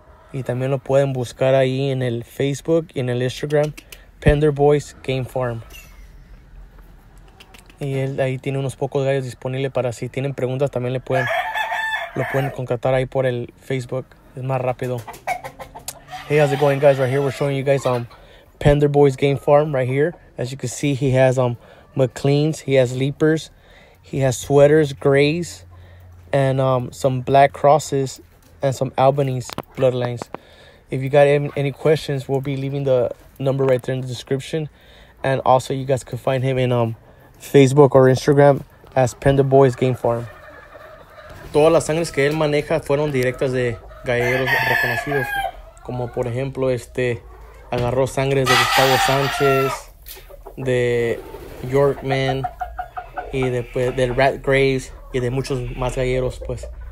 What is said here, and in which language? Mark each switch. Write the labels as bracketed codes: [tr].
[es] Y también lo pueden buscar ahí en el Facebook y en el Instagram, Pender Boys Game Farm. Y él ahí tiene unos pocos gallos disponibles para si tienen preguntas, también lo pueden contactar ahí por el Facebook. Es más rápido. [en] Hey, how's it going, guys? Right here we're showing you guys Pender Boys Game Farm right here. As you can see, he has McLeans, he has Leapers, he has Sweaters, Grays, and some Black Crosses, and some Albanys Bloodlines. If you got any questions, we'll be leaving the number right there in the description. And also, you guys can find him in Facebook or Instagram as Pender Boys Game Farm. [es] Todas las sangres que él maneja fueron directas de galleros reconocidos, como por ejemplo agarró sangre de Gustavo Sánchez, de Yorkman, y de Rat Graves, y de muchos más galleros, pues.